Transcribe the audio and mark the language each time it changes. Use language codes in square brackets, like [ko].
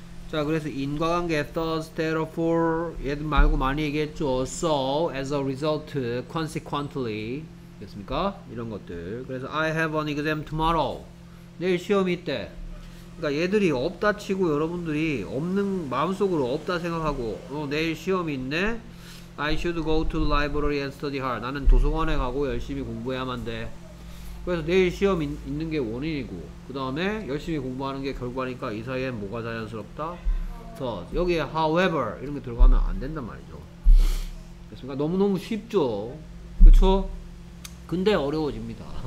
[ko] 자 그래서 인과관계 thus, therefore 얘 말고 많이 얘기했죠. [en] So, as a result, consequently [ko] 됐습니까? 이런 것들. 그래서 [en] I have an exam tomorrow. [ko] 내일 시험이 있대. 그러니까 얘들이 없다 치고 여러분들이 없는 마음속으로 없다 생각하고 내일 시험이 있네. [en] I should go to the library and study hard. [ko] 나는 도서관에 가고 열심히 공부해야만 돼. 그래서 내일 시험 있는 게 원인이고 그 다음에 열심히 공부하는 게 결과니까 이 사이에 뭐가 자연스럽다? 더 여기에 however 이런 게 들어가면 안 된단 말이죠. 그렇습니까? 너무너무 쉽죠. 그렇죠? 근데 어려워집니다.